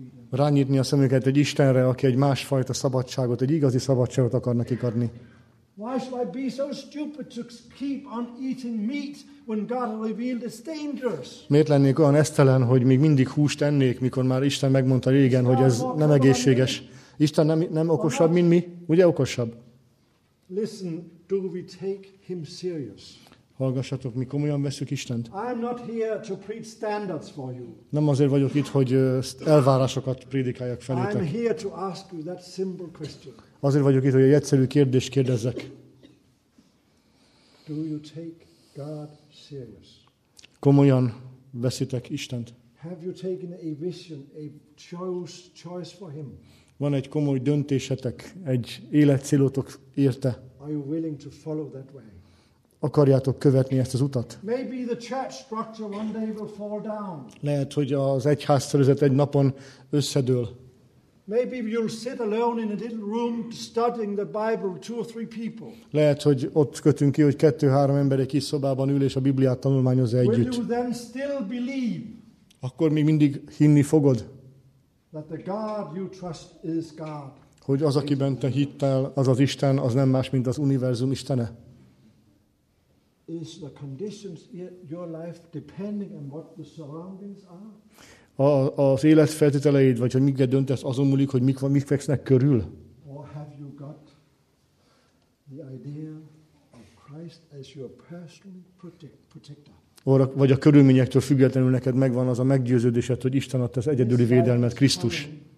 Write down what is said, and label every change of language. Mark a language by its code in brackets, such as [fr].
[hu] Rányitni a szemüket egy Istenre, aki egy másfajta szabadságot, egy igazi szabadságot akar nekik adni. [en] Why should I be so stupid to keep on eating meat when God revealed it's dangerous? [hu] Miért lennék olyan esztelen, hogy még mindig húst ennék, mikor már Isten megmondta régen, hogy ez nem egészséges? Isten nem okosabb, mint mi? Ugye okosabb? [en] Listen, do we take him serious? [hu] Hallgassatok, mi komolyan veszük Istent? [en] I'm not here to preach standards for you. [hu] Nem azért vagyok itt, hogy elvárásokat prédikáljak felétek. [en] I'm here to ask you that simple question. [hu] Azért vagyok itt, hogy egy egyszerű kérdést kérdezzek. [en] Do you take God serious? [hu] Komolyan veszitek Istent? [en] Have you taken a vision, a choice for him? [hu] Van egy komoly döntésetek, egy életcélotok érte? [en] Are you willing to follow that way? [hu] Akarjátok követni ezt az utat? [en] Maybe the church structure one day will fall down. [hu] Lehet, hogy az egyház szervezet egy napon összedől. [en] Maybe you'll sit alone in a little room studying the Bible two or three people. [hu] Lehet, hogy ott kötünk ki, hogy 2-3 ember egy kis szobában ül és a Bibliát tanulmányozza együtt. [en] Will you then still believe? [hu] Akkor még mindig hinni fogod? [en] That the God you trust is God. [hu] Hogy az, akiben te hittel, az az Isten, az nem más, mint az univerzum Istene. [en] Is the conditions your life depending on what the surroundings are? [hu] Az életfeltételeid, vagy hogy miket döntesz, azon múlik, hogy mik fekszenek körül. [en] Or have you got the idea of Christ as your personal protector? [hu] Vagy a körülményektől függetlenül neked megvan az a meggyőződésed, hogy Isten adta az egyedüli védelmet, Krisztus.